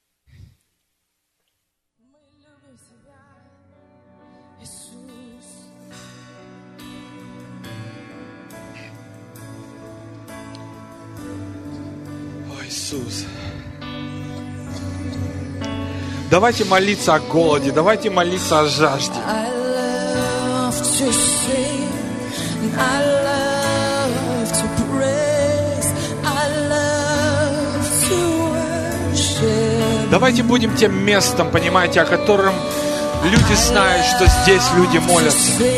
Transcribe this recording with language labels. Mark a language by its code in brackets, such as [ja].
[ru] О, Иисус. Давайте молиться о голоде, давайте молиться о жажде. [en] To sing, I love to praise, I love to worship. [ru] Давайте будем тем местом, понимаете, о котором люди знают, что здесь люди молятся.